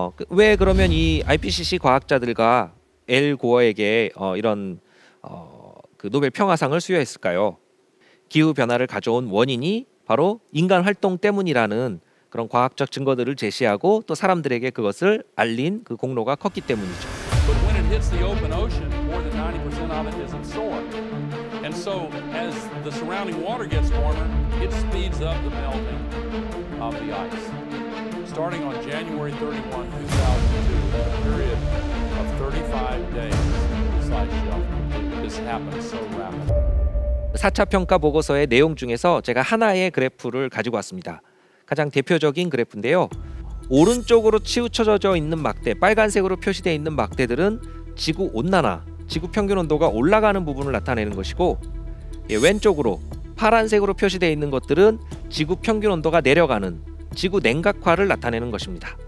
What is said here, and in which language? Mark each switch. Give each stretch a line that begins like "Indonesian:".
Korean: 왜 그러면 이 IPCC 과학자들과 엘 고어에게 이런 그 노벨 평화상을 수여했을까요? 기후 변화를 가져온 원인이 바로 인간 활동 때문이라는 그런 과학적 증거들을 제시하고 또 사람들에게 그것을 알린 그 공로가 컸기 때문이죠.
English: But when it hits the open ocean, more than 90% of it is in storm. And so as the surrounding water gets warmer, it speeds up the melting of the ice. Starting on January 31, 2002, a period of 35 days, this ice shelf. This happens so rapidly.
Korean: 4차 평가 보고서의 내용 중에서 제가 하나의 그래프를 가지고 왔습니다. 가장 대표적인 그래프인데요. 오른쪽으로 치우쳐져 있는 막대, 빨간색으로 표시되어 있는 막대들은 지구 온난화, 지구 평균 온도가 올라가는 부분을 나타내는 것이고, 예, 왼쪽으로 파란색으로 표시되어 있는 것들은 지구 평균 온도가 내려가는, 지구 냉각화를 나타내는 것입니다.